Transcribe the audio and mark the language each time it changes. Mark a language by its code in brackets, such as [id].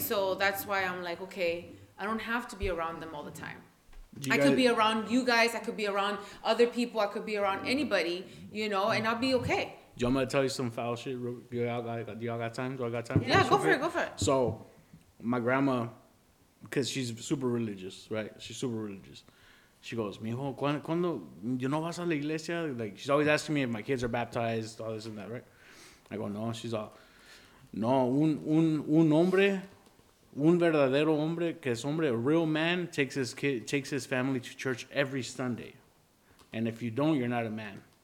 [en] So that's why I'm like, okay, I don't have to be around them all the time. Could be around you guys. I could be around other people. I could be around anybody, you know, and I'll be okay. Do you want me to tell you some foul shit? Do y'all got time? Yeah, go for it. So my grandma, because she's super religious, right? [es] She goes, mijo, ¿cuándo yo no vas a la iglesia? [en] Like, she's always asking me if my kids are baptized, all this and that, right? I go, no. She's all, [es] no, un hombre, un verdadero hombre, que es hombre, [en] a real man, takes his family to church every Sunday. And if you don't, you're not a man.